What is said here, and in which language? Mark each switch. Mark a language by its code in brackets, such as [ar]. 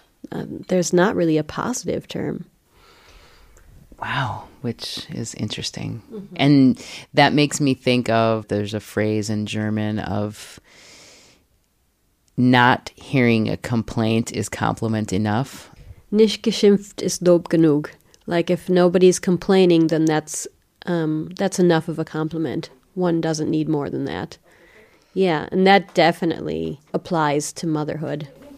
[en] There's not really a positive term. Wow, which is interesting. Mm-hmm. And that makes me think of, there's a phrase in German of not hearing a complaint is compliment enough. [de] Nicht geschimpft ist Lob genug. [en] Like if nobody's complaining, then that's enough of a compliment. One doesn't need more than that. Yeah, and that definitely applies to motherhood.